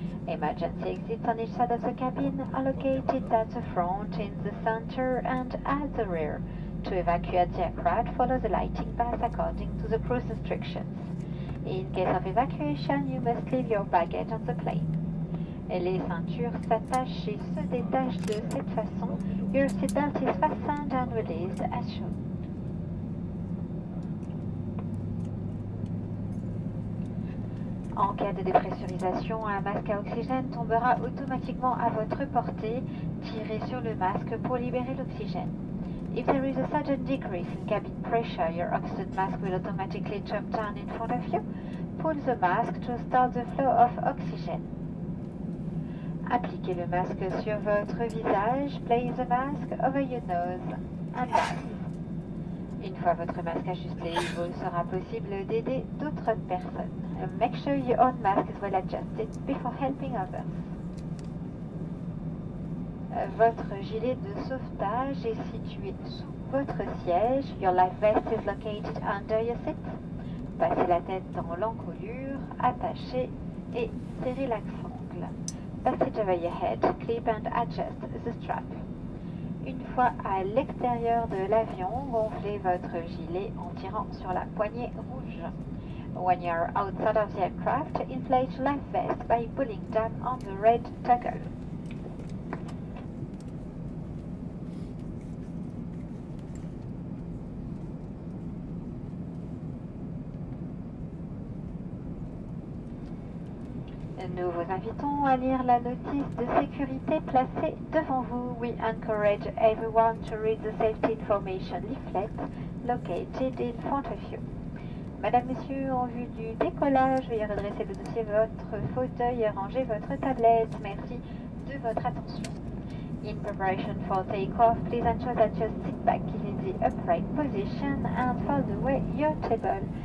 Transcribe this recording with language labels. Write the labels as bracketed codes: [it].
[en] Emergency exits on each side of the cabin are located at the front, in the center and at the rear. To evacuate the aircraft, follow the lighting path according to the cruise instructions. In case of evacuation, you must leave your baggage on the plane. [fr] Les ceintures s'attachent et se détachent de cette façon. [en] Your seatbelt is fastened and released as shown. [fr] En cas de dépressurisation, un masque à oxygène tombera automatiquement à votre portée. Tirez sur le masque pour libérer l'oxygène. [en] If there is a sudden decrease in cabin pressure, your oxygen mask will automatically jump down in front of you. Pull the mask to start the flow of oxygen. [fr] Appliquez le masque sur votre visage, [en] place the mask over your nose and mouth. [fr] Une fois votre masque ajusté, il vous sera possible d'aider d'autres personnes. [en] Make sure your own mask is well adjusted before helping others. [fr] Votre gilet de sauvetage est situé sous votre siège. [en] Your life vest is located under your seat. [fr] Passez la tête dans l'encolure, attachez et serrez l'axangle. [en] Pass it over your head, clip and adjust the strap. [fr] Une fois à l'extérieur de l'avion, gonflez votre gilet en tirant sur la poignée rouge. [en] When you're outside of the aircraft, inflate life vest by pulling down on the red toggle. [fr] Nous vous invitons à lire la notice de sécurité placée devant vous. [en] We encourage everyone to read the safety information leaflet located in front of you. [fr] Madame, Monsieur, en vue du décollage, veuillez redresser le dossier de votre fauteuil et ranger votre tablette. Merci de votre attention. [en] In preparation for takeoff, please ensure that your seat back is in the upright position and fold away your table.